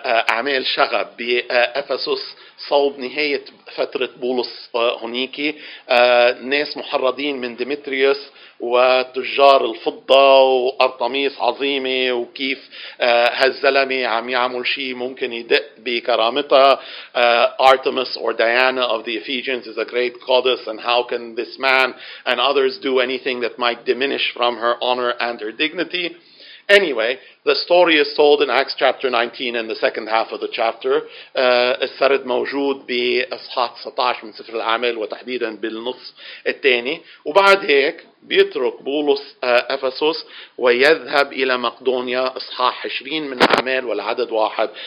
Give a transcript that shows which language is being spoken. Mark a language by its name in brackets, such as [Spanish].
[Arabic] أعمال شغب بأفسس صوب نهاية فترة بولس هونيكي ناس محرضين من ديمتريوس وتجار الفضة وأرطميس عظيمة وكيف هالزلمة عم يعمل شيء ممكن يدق بكرامتها. [English] Artemis or Diana of the Ephesians is a great goddess, and how can this man and others do anything that might diminish from her honor and her dignity? Anyway, the story is told in Acts chapter 19 in the second half of the chapter. [Arabic] السرد موجود بأصحاح 19 من سفر العمل وتحديدا بالنص الثاني. وبعد هيك بيترك بولس أفسس ويذهب إلى مقدونيا أصحاح 20 من العمل والعدد واحد.